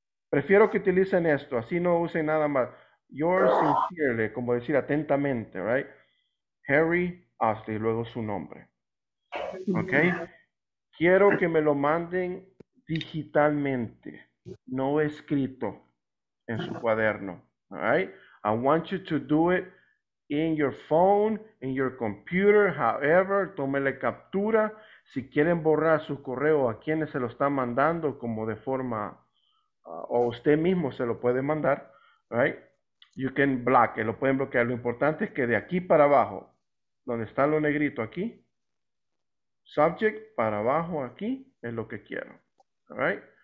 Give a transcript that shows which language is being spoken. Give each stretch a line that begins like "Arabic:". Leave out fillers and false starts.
Spanish: Prefiero que utilicen esto, así no usen nada más. Yours sincerely, como decir atentamente, right? Harry Astley, luego su nombre. Okay? Quiero que me lo manden digitalmente, no escrito en su cuaderno.
English: All right? I want you to do it in your phone, in your computer, however,
Spanish: tómele captura. Si quieren borrar su correo a quienes se lo están mandando, como de forma, o usted mismo se lo puede mandar, right?
English: You can block it,
Spanish: lo pueden bloquear. Lo importante es que de aquí para abajo, donde está lo negrito aquí, subject para abajo aquí es lo que quiero. All right?